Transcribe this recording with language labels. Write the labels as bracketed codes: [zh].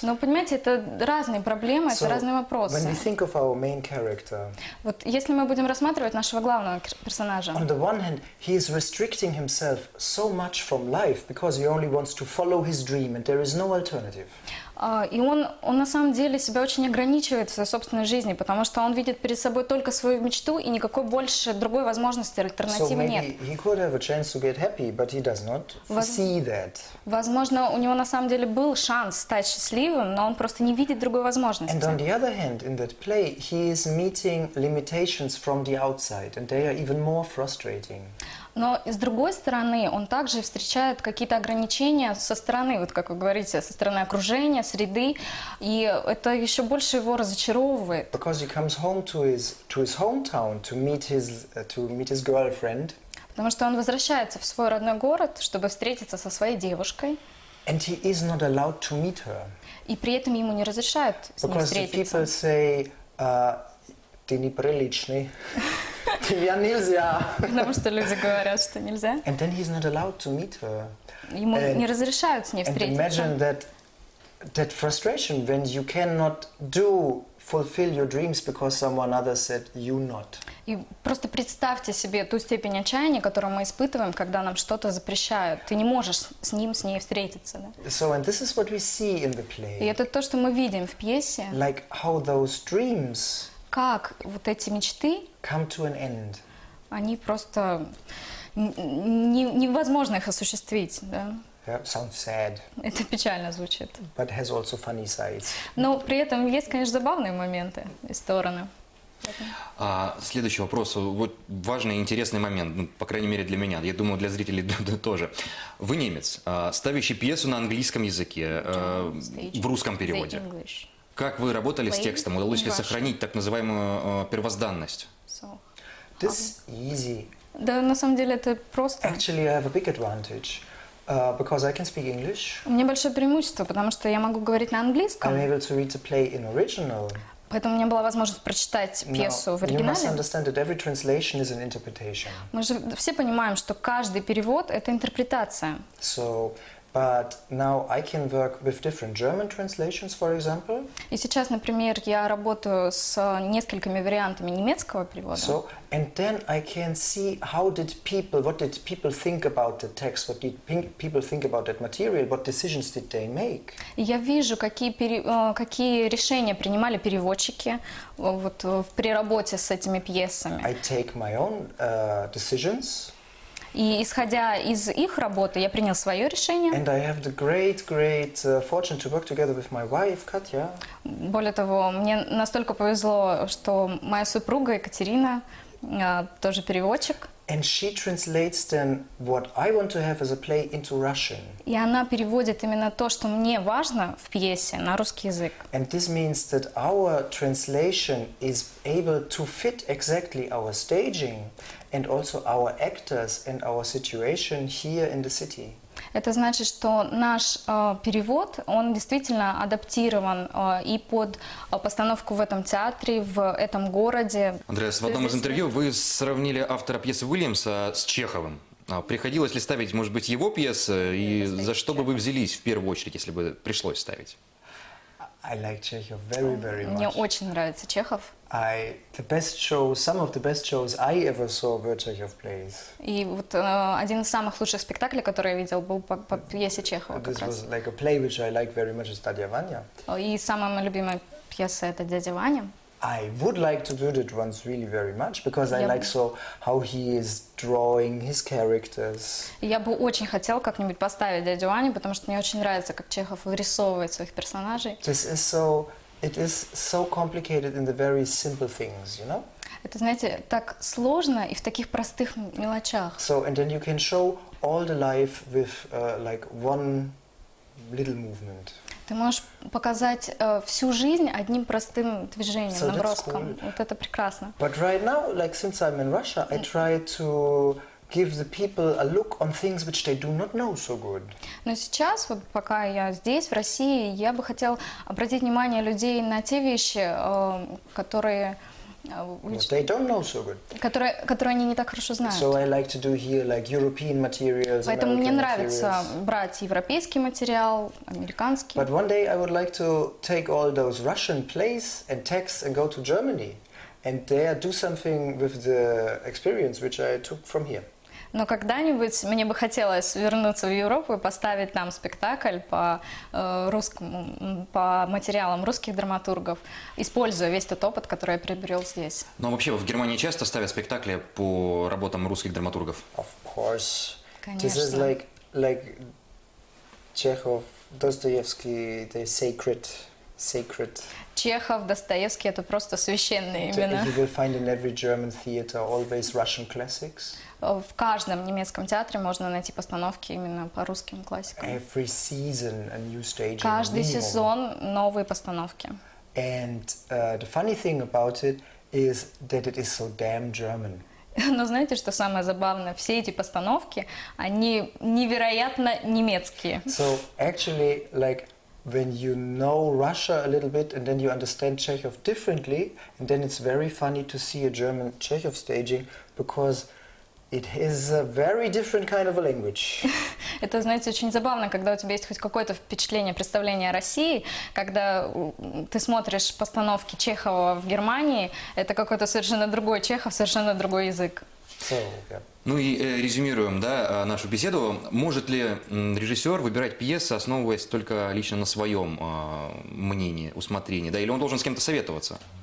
[ru] Но понимаете, это разные проблемы, [en] so, [ru] это разные вопросы. [en] When we think of our main character. [ru] Вот если мы будем рассматривать нашего главного персонажа. [en] On the one hand, he is restricting himself so much from life because he only wants to follow his dream and there is no alternative. [ru] И он на самом деле себя очень ограничивает в своей собственной жизни, потому что он видит перед собой только свою мечту и никакой больше другой возможности, альтернативы нет. [en] He could have a chance to get happy, but he does not see that. [ru] Возможно, у него на самом деле был шанс стать счастливым, но он просто не видит другой возможности. [en] And on the other hand, in that play, he is meeting limitations from the outside, and they are even more frustrating. [ru] Но с другой стороны, он также встречает какие-то ограничения со стороны, вот как вы говорите, со стороны окружения, среды, и это еще больше его разочаровывает. [en] Because he comes home to his hometown to meet his girlfriend. [ru] Потому что он возвращается в свой родной город, чтобы встретиться со своей девушкой. [en] And he is not allowed to meet her. [ru] И при этом ему не разрешают с ней встретиться. [en] Because people say, [ru] ты неприличный. Тебя нельзя. Потому что люди говорят, что нельзя. [en] And then he's not allowed to meet her. [ru] Ему не разрешают с ней встретиться. [en] And imagine that frustration when you cannot fulfill your dreams because someone other said you not. [ru] И просто представьте себе ту степень отчаяния, которую мы испытываем, когда нам что-то запрещают. Ты не можешь с ней встретиться, да? [en] So and this is what we see in the play. [ru] И это то, что мы видим в пьесе. [en] Like how those dreams. [ru] Как вот эти мечты, [en] come to an end. [ru] Они просто невозможно их осуществить. Да? [en] Yeah, sounds sad. [ru] Это печально звучит. [en] But has also funny sides. [ru] Но при этом есть, конечно, забавные моменты и стороны. А следующий вопрос. Вот важный и интересный момент, ну, по крайней мере для меня. Я думаю, для зрителей тоже. Вы немец, ставящий пьесу на английском языке, в русском переводе. Как вы работали с текстом? Удалось ли сохранить так называемую первозданность? [en] This easy. [ru] Да, на самом деле это просто. [en] Actually, I have a big advantage. Because I can speak English. [ru] У меня большое преимущество, потому что я могу говорить на английском. [en] I'm able to read the play in original. [ru] Поэтому у меня была возможность прочитать пьесу в оригинале. [en] You must understand that every translation is an interpretation. [ru] Мы же все понимаем, что каждый перевод – это интерпретация. [en] So, but now I can work with different German translations, for example. [ru] И сейчас, например, я работаю с несколькими вариантами немецкого перевода. [en] So, and then I can see how did people, what did people think about the text, what did people think about that material, what decisions did they make. [ru] Я вижу, какие решения принимали переводчики вот при работе с этими пьесами. [en] I take my own decisions. [ru] И исходя из их работы, я принял свое решение. [en] And I have the great fortune to work together with my wife, Katya. [ru] Более того, мне настолько повезло, что моя супруга Екатерина тоже переводчик. [en] And she translates then what I want to have as a play into Russian. [ru] И она переводит именно то, что мне важно в пьесе, на русский язык. [en] And this means that our translation is able to fit exactly our staging. And also our actors and our situation here in the city. [ru] Это значит, что наш перевод, он действительно адаптирован и под постановку в этом театре, в этом городе. Андреас, в одном из интервью вы сравнили автора пьесы Уильямса с Чеховым. Приходилось ли ставить, может быть, его пьесы? И за что бы вы взялись в первую очередь, если бы пришлось ставить? [en] I like Chekhov very, very much. [ru] Мне очень нравится Чехов. [en] Some of the best shows I ever saw were Chekhov plays. [ru] И вот один из самых лучших спектаклей, который я видел, был по пьесе Чехова. [en] This was like a play which I like very much, is Дядя Ваня. [ru] И самая моя любимая пьеса — это Дядя Ваня. [en] I would like to do it once really very much, because I like so how he is drawing his characters. [ru] Я бы очень хотел как-нибудь поставить Дядю Ваню, потому что мне очень нравится, как Чехов вырисовывает своих персонажей. [en] It is so complicated in the very simple things, you know? [ru] Это, знаете, так сложно и в таких простых мелочах. [en] So, and then you can show all the life with like one little movement. [ru] Ты можешь показать всю жизнь одним простым движением, [en] so [ru] наброском. [en] Cool. [ru] Вот это прекрасно. [en] But right now, like since I'm in Russia, I try to give the people a look on things which they do not know so good. [ru] Но сейчас, вот пока я здесь, в России, я бы хотел обратить внимание людей на те вещи, которые... [en] They don't know so good. [ru] Которые они не так хорошо знают. So I like to do here like European materials. Поэтому мне нравится [en] materials. [ru] Брать европейский материал, американский. [en] But one day I would like to take all those Russian plays and texts and go to Germany and there do something with the experience which I took from here. [ru] Но когда-нибудь мне бы хотелось вернуться в Европу и поставить там спектакль по материалам русских драматургов, используя весь тот опыт, который я приобрел здесь. Ну, вообще, в Германии часто ставят спектакли по работам русских драматургов? [en] Of course. [ru] Конечно. [en] This is like Чехов, Достоевский, they're sacred. [ru] Чехов, Достоевский — это просто священные имена. [en] You will find in every German theater always Russian classics. [ru] В каждом немецком театре можно найти постановки именно по русским классикам. [en] Every season a new stage. [ru] Каждый сезон новые постановки. [en] And the funny thing about it is that it is so damn German. [ru] Но знаете, что самое забавное? Все эти постановки, они невероятно немецкие. [en] So actually, like, when you know Russia a little bit and then you understand Chekhov differently, and then it's very funny to see a German Chekhov staging, because it is a very different kind of a language. [ru] Это, знаете, очень забавно, когда у тебя есть хоть какое-то впечатление, представление о России, когда ты смотришь постановки Чехова в Германии, это какой-то совершенно другой Чехов, совершенно другой язык. [en] So, yeah. [ru] Ну и резюмируем, да, нашу беседу. Может ли режиссер выбирать пьесы, основываясь только лично на своем мнении, усмотрении, да, или он должен с кем-то советоваться?